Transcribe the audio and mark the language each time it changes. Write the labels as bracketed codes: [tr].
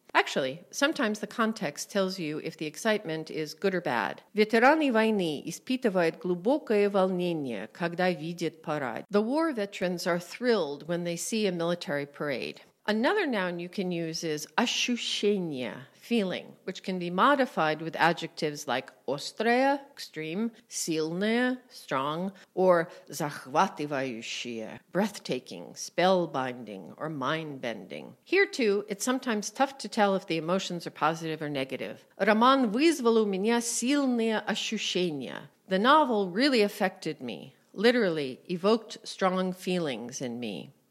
[en] Actually, sometimes the context tells you if the excitement is good or bad. [ru] Ветераны войны испытывают глубокое волнение, когда видят парад. [en] The war veterans are thrilled when they see a military parade. Another noun you can use is ощущение, feeling, which can be modified with adjectives like острая, extreme, сильная, strong, or захватывающая, breathtaking, spellbinding, or mind-bending. Here, too, it's sometimes tough to tell if the emotions are positive or negative. [ru] Роман вызвал у меня сильные ощущения. [en] The novel really affected me, literally evoked strong feelings in me.